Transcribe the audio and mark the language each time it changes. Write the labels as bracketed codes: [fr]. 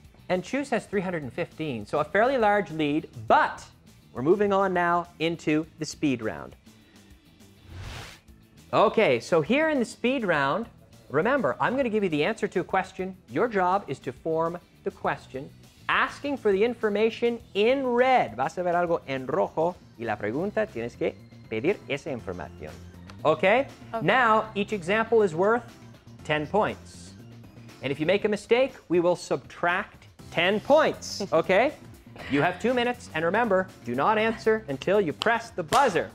[en] And Chus has 315, so a fairly large lead, but we're moving on now into the speed round. Okay, so here in the speed round, remember, I'm gonna give you the answer to a question. Your job is to form the question, asking for the information in red. [es] Vas a ver algo en rojo, y la pregunta tienes que pedir esa información. [en] Okay? Now, each example is worth 10 points. And if you make a mistake, we will subtract 10 points, okay? You have 2 minutes, and remember, do not answer until you press the buzzer.